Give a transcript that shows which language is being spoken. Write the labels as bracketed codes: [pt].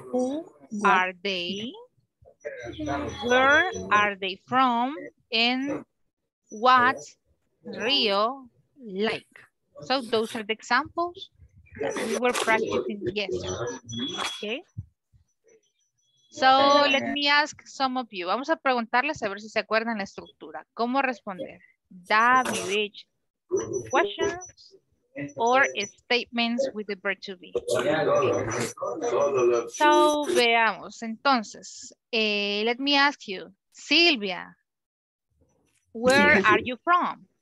[en] Who are they? where are they from and what Rio like. So those are the examples that we were practicing yesterday. Okay. So let me ask some of you. [es] Vamos a preguntarles a ver si se acuerdan la estructura. ¿Cómo responder? [en] WH questions or statements with the verb to be. [es] So veamos. [en] Entonces, let me ask you, Silvia, where are you from?